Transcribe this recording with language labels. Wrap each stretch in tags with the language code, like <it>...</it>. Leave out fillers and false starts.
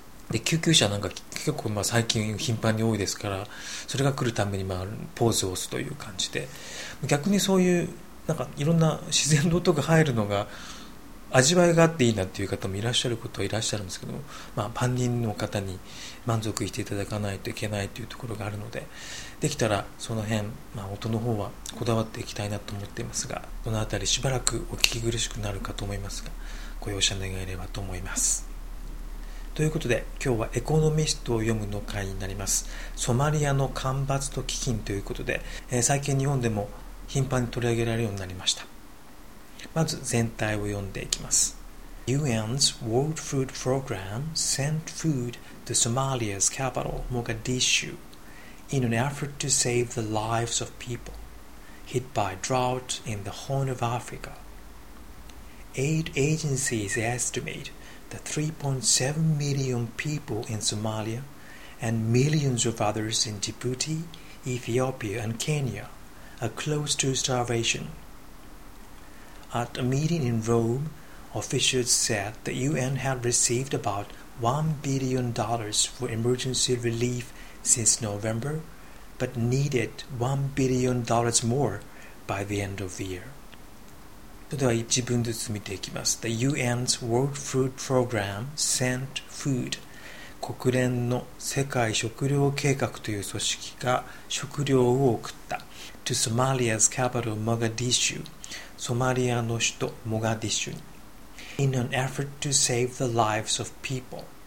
<ja>で救急車なんか結構まあ最近頻繁に多いですから、それが来るためにまあポーズを押すという感じで、逆にそういうなんかいろんな自然の音が入るのが味わいがあっていいなという方もいらっしゃることはいらっしゃるんですけども、まあ、万人の方に満足していただかないといけないというところがあるので、できたらその辺、まあ、音の方はこだわっていきたいなと思っていますが、そのあたりしばらくお聞き苦しくなるかと思いますが、ご容赦願えればと思います。ということで今日はエコノミストを読むの回になります。ソマリアの干ばつと飢饉ということで、最近日本でも頻繁に取り上げられるようになりました。まず全体を読んでいきます。</ja> <en>UN's World Food Program sent food to Somalia's capital, Mogadishu, in an effort to save the lives of people hit by drought in the Horn of Africa. Aid agencies estimate that 3.7 million people in Somalia and millions of others in Djibouti, Ethiopia and Kenya are close to starvation. At a meeting in Rome, officials said the UN had received about $1 billion for emergency relief since November, but needed $1 billion more by the end of the year.</en> <ja>それでは一文ずつ見ていきます。</ja> <en>The UN's World Food Program sent food.</en> <ja>国連の世界食糧計画という組織が食料を送った。</ja> <en>To Somalia's capital, Mogadishu.</en> <ja>ソマリアの首都モガディッシュに。</ja> <en>In an effort to save the lives of people.</en>